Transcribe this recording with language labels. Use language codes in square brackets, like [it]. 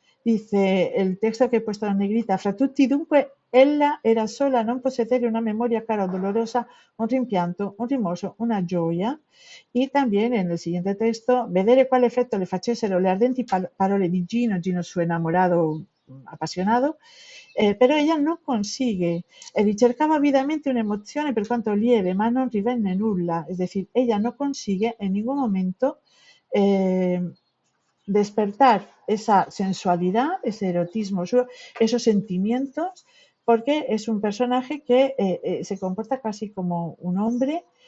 [es] Dice el texto que he puesto en negrita: [it] «Fra tutti dunque, ella era sola, non possedere una memoria cara o dolorosa, un rimpianto, un rimorso, una gioia». [es] Y también en el siguiente texto: [it] «Vedere quale effetto le facessero le ardenti parole di Gino», [es] Gino su enamorado apasionado. Pero ella no consigue. [it] Ricercava avidamente una emozione per quanto lieve, ma non rivenne nulla. [es] Es decir, ella no consigue en ningún momento despertar esa sensualidad, ese erotismo, esos sentimientos, porque es un personaje que se comporta casi como un hombre.